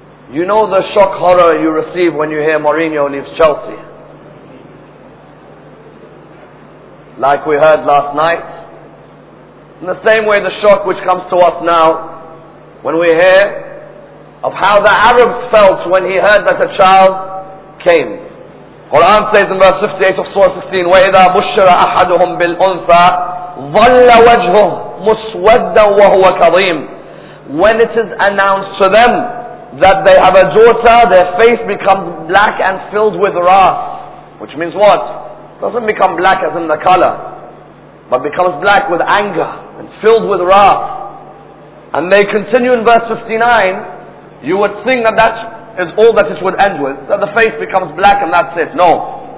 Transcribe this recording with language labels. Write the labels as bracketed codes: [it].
[en] You know the shock horror you receive when you hear Mourinho leaves Chelsea. Like we heard last night. In the same way, the shock which comes to us now when we hear of how the Arabs felt when he heard that a child came. Quran says in verse 58 of Surah 16, [ar] وَإِذَا بُشِّرَ أَحَدُهُمْ بِالْأُنْثَى ظَلَّ وَجْهُهُ مُسْوَدًّا وَهُوَ كَظِيمٌ. [en] When it is announced to them that they have a daughter, their face becomes black and filled with wrath. Which means what? Doesn't become black as in the color, but becomes black with anger, and filled with wrath. And they continue in verse 59, you would think that that is all that it would end with, that the face becomes black and that's it. No.